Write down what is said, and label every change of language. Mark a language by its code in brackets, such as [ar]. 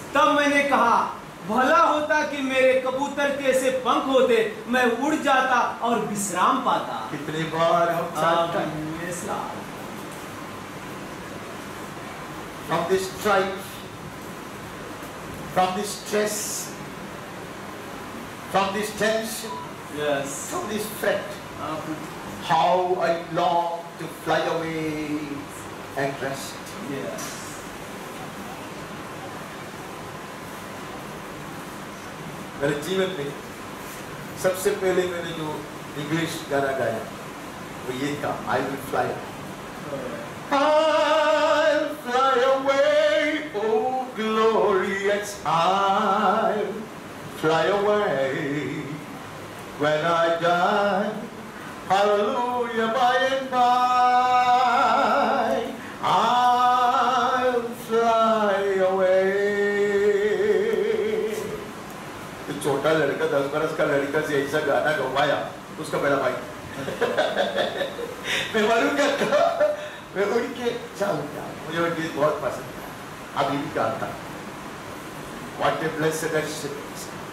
[hi] तब मैंने कहा भला होता कि मेरे कबूतर के ऐसे पंख होते, मैं उड़ जाता और विश्राम पाता। कितने बार हम चाहते हैं ऐसा, [en] From this strike, from this stress, from this tension, yes, from this fret, how I long to fly away and rest. Yes. [hi] मेरे जीवन में सबसे पहले मैंने जो इंग्लिश गाना गाया वो ये था, [en] I will fly away. I'll fly away, oh glorious I'll fly away when I die, hallelujah, by and by, I'll fly away. [hi] तो छोटा लड़का 10 बरस का लड़का से ऐसा गाना गवाया उसका पहला भाई। मैं मालूम क्या था, मैं उड़ के चालू किया, मुझे वो गीत बहुत पसंद था, अभी भी गाता, [en] what a blessed assurance.